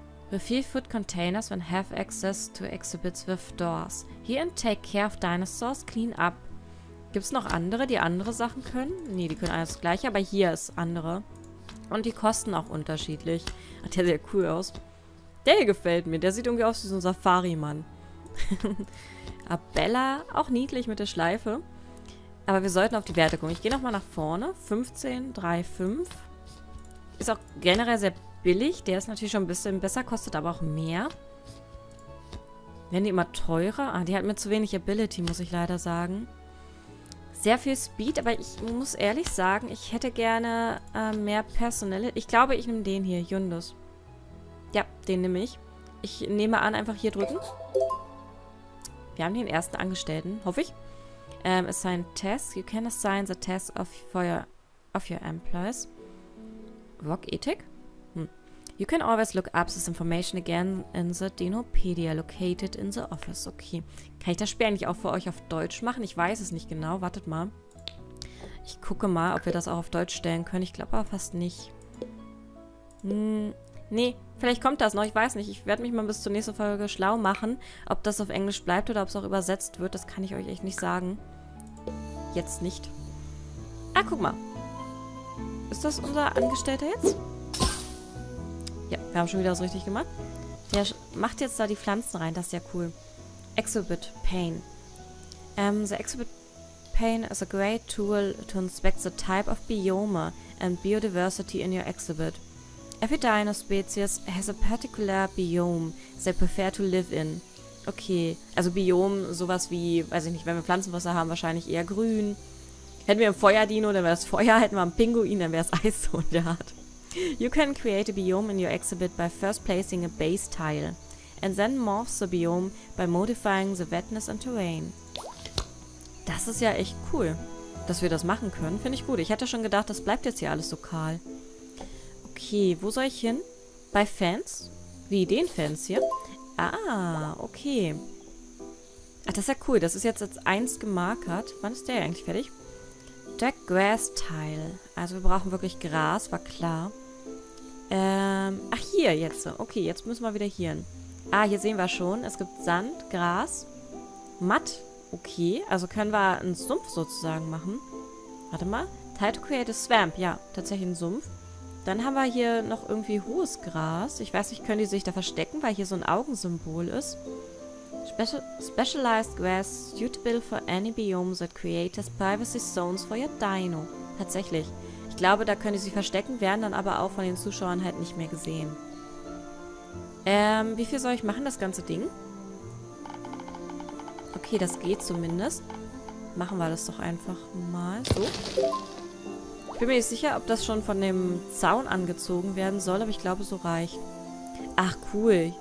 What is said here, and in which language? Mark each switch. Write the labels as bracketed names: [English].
[English] Refill food containers when have access to exhibits with doors. Here and take care of dinosaurs, clean up. [German] Gibt es noch andere, die andere Sachen können? Nee, die können alles gleich, aber hier ist andere. Und die kosten auch unterschiedlich. Ach, der sieht ja cool aus. Der hier gefällt mir. Der sieht irgendwie aus wie so ein Safari-Mann. Abella, auch niedlich mit der Schleife. Aber wir sollten auf die Werte gucken. Ich gehe nochmal nach vorne. 15, 3, 5. Ist auch generell sehr billig. Der ist natürlich schon ein bisschen besser, kostet aber auch mehr. Werden die immer teurer? Ah, die hat mir zu wenig Ability, muss ich leider sagen. Sehr viel Speed, aber ich muss ehrlich sagen, ich hätte gerne mehr Personelle. Ich glaube, ich nehme den hier, Yundus. Ja, den nehme ich. Ich nehme an, einfach hier drücken. Wir haben den ersten Angestellten, hoffe ich. [English] Assign Tests. You can assign the tests of your employees. Rock Ethic? You can always look up this information again in the Dinopedia located in the office. Okay. [German] Kann ich das Spiel eigentlich auch für euch auf Deutsch machen? Ich weiß es nicht genau. Wartet mal. Ich gucke mal, ob wir das auch auf Deutsch stellen können. Ich glaube aber fast nicht. Nee, vielleicht kommt das noch. Ich weiß nicht. Ich werde mich mal bis zur nächsten Folge schlau machen, ob das auf Englisch bleibt oder ob es auch übersetzt wird. Das kann ich euch echt nicht sagen. Jetzt nicht. Ah, guck mal. Ist das unser Angestellter jetzt? Ja, wir haben schon wieder was richtig gemacht. Der macht jetzt da die Pflanzen rein. Das ist ja cool. [English] Exhibit Pane. The Exhibit Pane is a great tool to inspect the type of biome and biodiversity in your exhibit. Every dino species has a particular biome they prefer to live in. [German] Okay, also Biom, sowas wie, weiß ich nicht, wenn wir Pflanzenwasser haben, wahrscheinlich eher grün. Hätten wir ein Feuerdino, dann wäre das Feuer. Hätten wir einen Pinguin, dann wäre es Eis so in der Art. [English] You can create a biome in your exhibit by first placing a base tile and then morph the biome by modifying the wetness and terrain. [German] Das ist ja echt cool, dass wir das machen können. Finde ich gut. Ich hätte schon gedacht, das bleibt jetzt hier alles so kahl. Okay, wo soll ich hin? Bei Fans? Wie den Fans hier? Ah, okay. Ach, das ist ja cool. Das ist jetzt als 1 gemarkert. Wann ist der eigentlich fertig? [English] Jack Grass Tile. [German] Also wir brauchen wirklich Gras, war klar. Ach hier jetzt. Okay, jetzt müssen wir wieder hier hin. Ah, hier sehen wir schon. Es gibt Sand, Gras, Matt. Okay, also können wir einen Sumpf sozusagen machen. Warte mal. [English] Tile to create a swamp. [German] Ja, tatsächlich ein Sumpf. Dann haben wir hier noch irgendwie hohes Gras. Ich weiß nicht, können die sich da verstecken, weil hier so ein Augensymbol ist. [English] Specialized grass suitable for any biome that creates privacy zones for your dino. [German] Tatsächlich. Ich glaube, da können die sich verstecken, werden dann aber auch von den Zuschauern halt nicht mehr gesehen. Wie viel soll ich machen, das ganze Ding? Okay, das geht zumindest. Machen wir das doch einfach mal so. Ich bin mir nicht sicher, ob das schon von dem Zaun angezogen werden soll, aber ich glaube, so reicht. Ach, cool.